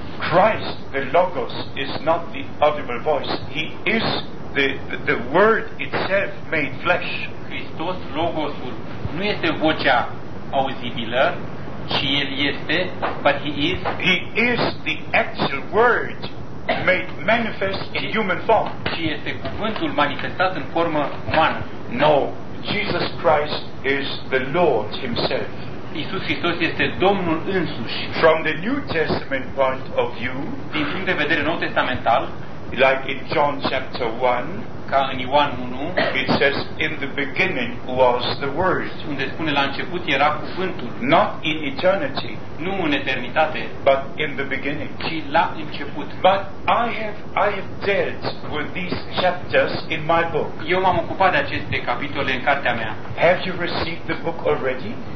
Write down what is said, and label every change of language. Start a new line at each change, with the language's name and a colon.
English: Christ, the Logos, is not the audible voice. He is the Word itself made flesh.
Romanian: Hristos, Logosul, nu este vocea auzibilă, ci El este,
English: but He is. He is the actual Word made manifest in human form.
Romanian: Ci este cuvântul manifestat în formă umană.
English: No, Jesus Christ is the Lord Himself.
Romanian: Iisus Hristos este Domnul însuși.
English: From the New Testament point of view,
Romanian: din punct de vedere nou testamental,
English: like in John chapter 1,
Romanian: ca în Ioan 1,
English: it says in the beginning was the Word.
Romanian: Unde spune la început era cuvântul.
English: Not in eternity,
Romanian: nu în eternitate,
English: but in the beginning,
Romanian: ci la început.
English: But I have dealt with these chapters in my book.
Romanian: Eu m-am ocupat de aceste capitole în cartea mea.
English: Have you received the book already?